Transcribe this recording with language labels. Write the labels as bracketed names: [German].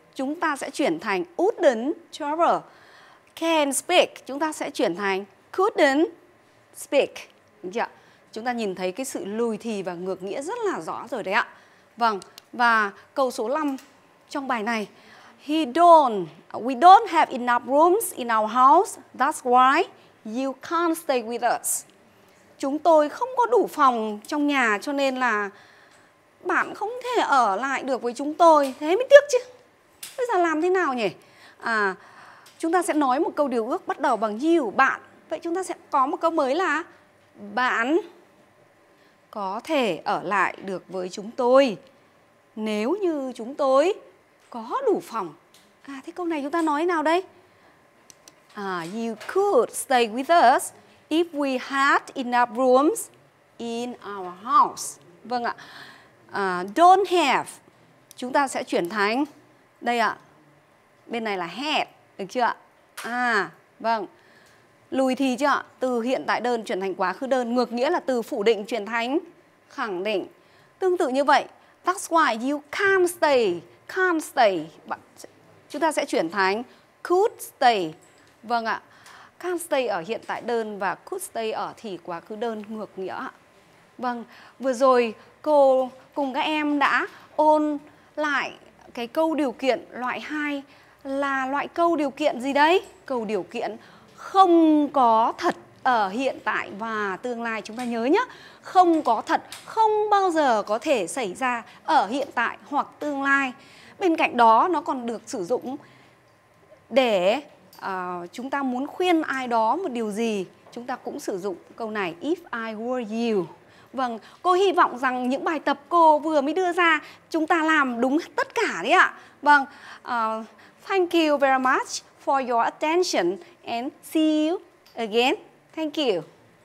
[Vietnamese] Chúng ta sẽ chuyển thành wouldn't travel. Can speak, chúng ta sẽ chuyển thành couldn't speak. Đúng chưa? Chúng ta nhìn thấy cái sự lùi thì và ngược nghĩa rất là rõ rồi đấy ạ. Vâng, và câu số 5 trong bài này. [English] He don't. We don't have enough rooms in our house. That's why you can't stay with us. [Vietnamese] Chúng tôi không có đủ phòng trong nhà cho nên là bạn không thể ở lại được với chúng tôi. Thế mới tiếc chứ. Bây giờ làm thế nào nhỉ? À, chúng ta sẽ nói một câu điều ước bắt đầu bằng you, bạn. Vậy chúng ta sẽ có một câu mới là bạn có thể ở lại được với chúng tôi nếu như chúng tôi có đủ phòng. À, thế câu này chúng ta nói nào đây? [English] À, you could stay with us if we had enough rooms in our house. [Vietnamese] Vâng ạ. À, don't have. Chúng ta sẽ chuyển thành đây ạ. Bên này là had, được chưa ạ? À, vâng. Lùi thì chưa ạ? Từ hiện tại đơn chuyển thành quá khứ đơn, ngược nghĩa là từ phủ định chuyển thành khẳng định. Tương tự như vậy, [English] that's why you can't stay. Can't stay. [Vietnamese] Chúng ta sẽ chuyển thành could stay. Vâng ạ. Can't stay ở hiện tại đơn và could stay ở thì quá khứ đơn, ngược nghĩa ạ. Vâng, vừa rồi cô cùng các em đã ôn lại cái câu điều kiện loại 2 là loại câu điều kiện gì đấy? Câu điều kiện không có thật ở hiện tại và tương lai, chúng ta nhớ nhé. Không có thật, không bao giờ có thể xảy ra ở hiện tại hoặc tương lai. Bên cạnh đó nó còn được sử dụng để chúng ta muốn khuyên ai đó một điều gì, chúng ta cũng sử dụng câu này, [English] if I were you. [Vietnamese] Vâng, cô hy vọng rằng những bài tập cô vừa mới đưa ra chúng ta làm đúng tất cả đấy ạ. [English] Vâng, thank you very much for your attention and see you again. Thank you.